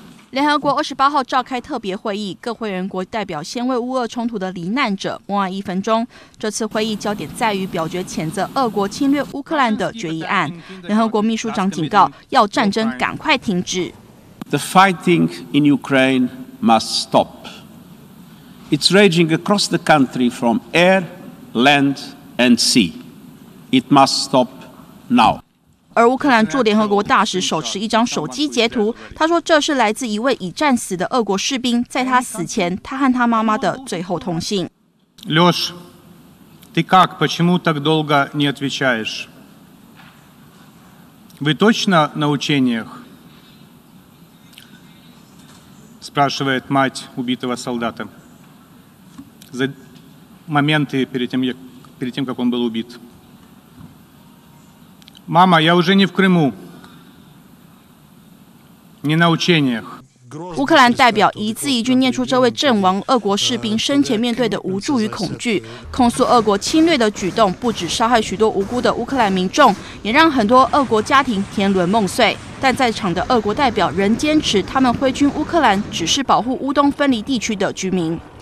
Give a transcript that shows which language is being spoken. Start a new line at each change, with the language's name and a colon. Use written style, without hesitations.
Chinese: 联合国28号召开特别会议，各会员国代表先为乌俄冲突的罹难者默哀一分钟。这次会议焦点在于表决谴责俄国侵略乌克兰的决议案。联合国秘书长警告，要战争赶快停止。
English: The fighting in Ukraine must stop. It's raging across the country from air, land and sea. It must stop now.
Chinese: 而乌克兰驻联合国大使手持一张手机截图，他说这是来自一位已战死的俄国士兵在他死前他和他妈妈的最后通信。
Russian: Лёш, ты как, почему так долго не отвечаешь? Вы точно на учениях? спрашивает мать убитого солдата. За моменты перед тем, как он был убит. Мама, я уже не в Крыму, не на учениях.
Chinese: 乌克兰代表一字一句念出这位阵亡俄国士兵生前面对的无助与恐惧，控诉俄国侵略的举动不止伤害许多无辜的乌克兰民众，也让很多俄国家庭天伦梦碎。但在场的俄国代表仍坚持，他们挥军乌克兰只是保护乌东分离地区的居民。